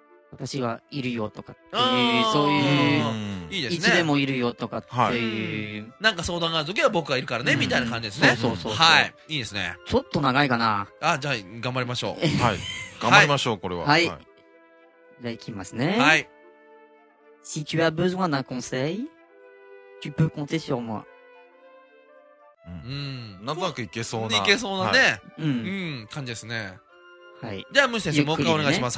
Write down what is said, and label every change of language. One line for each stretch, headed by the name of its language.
Japanese: 私はいるよとかっていう、そういう、いいですね。いつでもいるよとかっていう。はい、なんか相談があるときは僕がいるからね、みたいな感じですね。うん、そうそうそう。はい。いいですね。ちょっと長いかな。あ、じゃあ、頑張りましょう。はい。頑張りましょう、これは。はい。はい、じゃあ、いきますね。はい。
French: Si tu as besoin d'un conseil, tu peux compter sur moi.
Japanese: なんとなくいけそうな。いけそうなね、はい、うん。うん。感じですね。はい。じゃあ、ムシ先生、もう一回お願いします。